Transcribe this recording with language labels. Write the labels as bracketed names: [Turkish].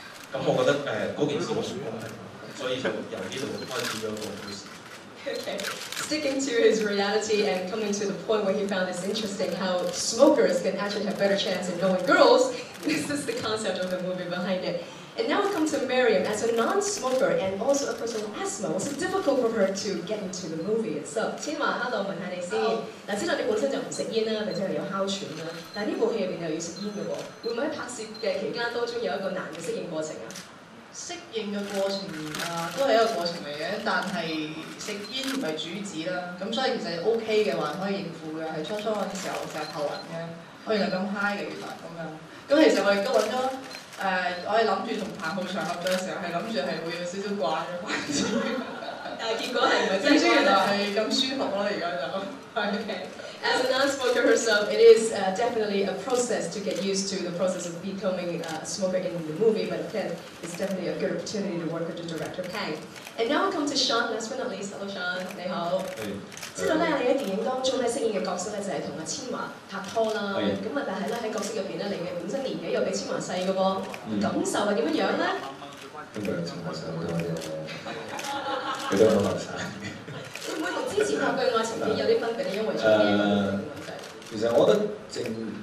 [Cantonese] 咁我覺得嗰件事我成功係，所以就由呢度開始咗個故事。 [English] Okay, sticking to his reality and coming to the point where he found this interesting, how smokers can actually have better chance in knowing girls. This is the concept of the movie behind it. And now we come to Miriam. As a non-smoker and also a person with asthma, was it difficult for her to get into the movie itself? [Cantonese] 千嬅 ，Hello， 問下你先。嗱，知道你本身就唔食煙啦，並且係有哮喘啦。但呢部戲入邊又要食煙嘅喎，會唔會喺拍攝嘅期間當中有一個難嘅適應過程啊？適應的過程都是一個過程嚟嘅，但是食煙不是主旨啦，咁所以其實 O K 嘅，還可以應付嘅。係初初嗰陣時候就頭暈嘅，我原來咁 high 嘅原來咁樣。咁其實我亦都揾咗我係諗住同彭浩翔合作嘅時候係諗住係會有少少掛嘅關注，但結果係唔係真係原來係咁舒服咯，而家就 [English] As a non-smoker herself, it is definitely a process to get used to the process of becoming a smoker in the movie, but again, it's definitely a good opportunity to work with the director, Pang. And now we come to Shawn, last but not least. Hello, Shawn. [Cantonese] 你好。知道咧，你喺電影當中咧飾演嘅角色咧就係同阿千嬅拍拖啦。咁啊，但係咧喺角色入邊咧，你嘅本身年紀又比千嬅細嘅噃，感受係點樣樣咧？因為千嬅細好多嘅，佢都好後生。之前拍嘅愛情片有啲分別咧，因為